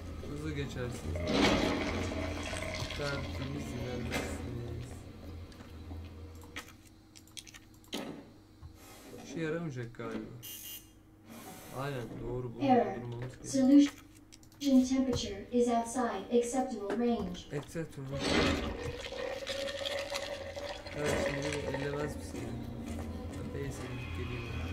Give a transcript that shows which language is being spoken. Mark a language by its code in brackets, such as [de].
[tr] Hızlı geçersiniz. Tertemiz ilerlesiniz. İşe yaramayacak galiba. Aynen doğru, bunu durdurmamız gerekiyor. [en] Temperature is outside acceptable range. Acceptable. [tr] Evet, şimdi elemez misin? Neyse, git geleyim.